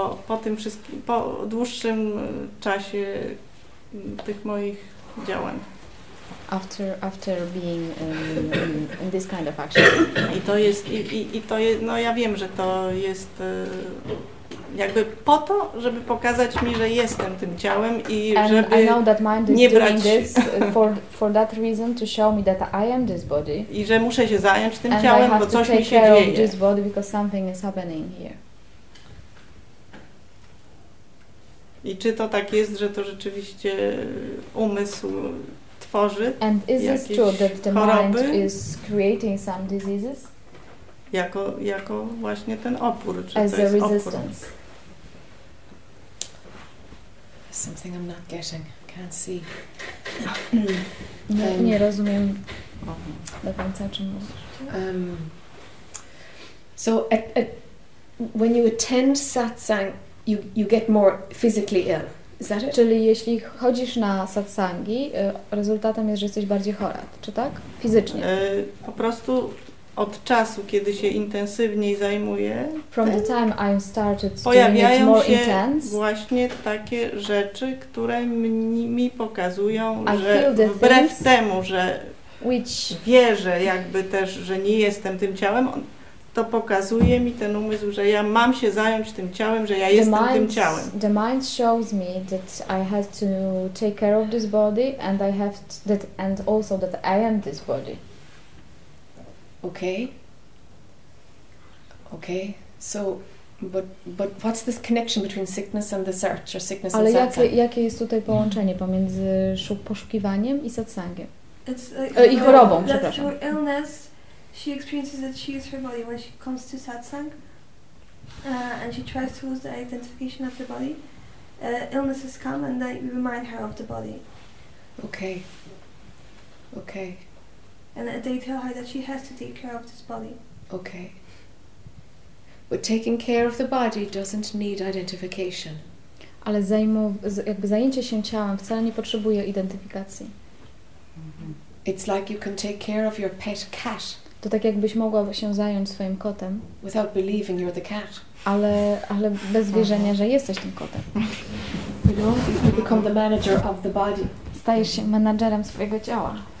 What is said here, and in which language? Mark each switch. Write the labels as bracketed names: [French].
[Polish] Po tym wszystkim, po dłuższym czasie tych moich działań. [English] After being in this kind of action. [Polish] I to jest, ja wiem, że to jest jakby po to, żeby pokazać mi, że jestem tym ciałem i żeby nie brać. [English] And I know that mind is doing this for that reason to show me that I am this body. [Polish] I że muszę się zająć tym ciałem, bo coś mi się dzieje. [English] And I have to take care of this body because something is happening here. [Polish] I czy to tak jest, że to rzeczywiście umysł tworzy jakieś choroby? [English] And is this true that the mind is creating some diseases? [Polish] Jako właśnie ten opór, czy [English] as [Polish] to jest [English] a resistance. [Polish] Opór. [English] Something I'm not getting. Can't see. [Polish] Nie rozumiem do końca, czym mówisz. [English] So at when you attend satsang, you get more physically ill. Is that it? [Polish] Czyli jeśli chodzisz na satsangi, rezultatem jest, że jesteś bardziej chora, czy tak? Fizycznie. Po prostu od czasu, kiedy się intensywniej zajmuję, [English] from the time I started [Polish] pojawiają [English] doing it more [Polish] się [English] intense, [Polish] właśnie takie rzeczy, które mi pokazują, że wbrew temu, że wierzę jakby też, że nie jestem tym ciałem, to pokazuje mi ten umysł, że ja mam się zająć tym ciałem, że ja jestem [English] mind, [Polish] tym ciałem. [English] The mind shows me that I have to take care of this body and I have to, that and also that I am this body. Okay. Okay. So, but what's this connection between sickness and the search or sickness [Polish] ale [English] and satsang? [Polish] Ale jakie jest tutaj połączenie pomiędzy poszukiwaniem i satsangiem? [English] It's like [Polish] i chorobą, przepraszam. [English] That through illness, she experiences that she is her body when she comes to satsang, and she tries to lose the identification of the body. Illness has come and they remind her of the body. Okay. Okay. And they tell her that she has to take care of this body. Okay. But taking care of the body doesn't need identification. [Polish] Ale jakby zajęcie się ciałem wcale nie potrzebuje identyfikacji. Mm-hmm. [English] It's like you can take care of your pet cat. [Polish] To tak jakbyś mogła się zająć swoim kotem. [English] Without believing you're the cat. [Polish] Ale bez wierzenia, że jesteś tym kotem. [English] You know, you become the manager of the body. [Polish] Stajesz się menadżerem swojego ciała.